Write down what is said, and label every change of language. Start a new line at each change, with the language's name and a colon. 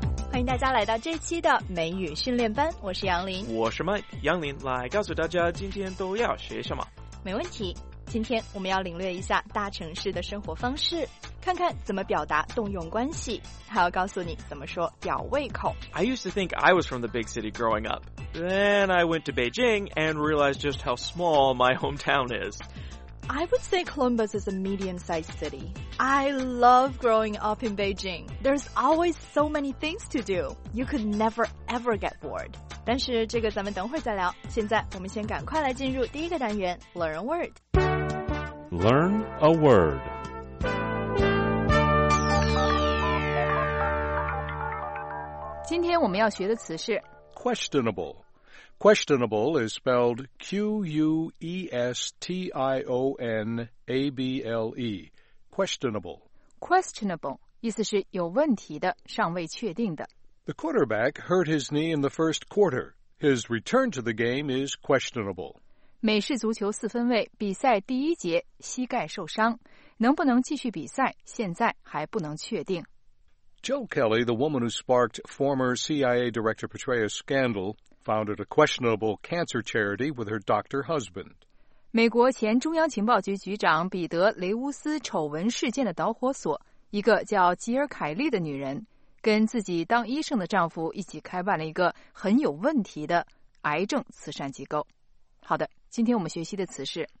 Chinese: 欢迎大家来到这期的美语训练班，我是杨林。我是杨林，来告诉大家今天都要学什么。没问题，今天我们要领略一下大城市的生活方式，看看怎么表达动用关系，还要告诉你怎么说吊胃口。
English: I used to think I was from the big city growing up. Then I went to Beijing and realized just how small my hometown is. I would say Columbus is a medium-sized city. I love growing up in Beijing. There's always so many things to do. You could never ever get bored.
Chinese: 但是这个咱们等会儿再聊，现在我们先赶快来进入第一个单元 Learn a Word.
English: Learn a Word. Today
Chinese: 我们要学的词是
English: Questionable. Questionable is spelled Q-U-E-S-T-I-O-N-A-B-L-E. Questionable.
Chinese: Questionable, 意思是有问题的,尚未确定的。
English: The quarterback hurt his knee in the first quarter. His return to the game is questionable.
Chinese: 美式足球四分卫比赛第一节膝盖受伤,能不能继续比赛,现在还不能确定。
English: Jill Kelly, the woman who sparked former CIA Director Petraeus' scandal,founded a questionable cancer charity with her doctor husband.
Chinese: 美国前中央情报局局长彼得·雷乌斯丑闻事件的导火索，一个叫吉尔·凯利的女人，跟自己当医生的丈夫一起开办了一个很有问题的癌症慈善机构。好的，今天我们学习的词是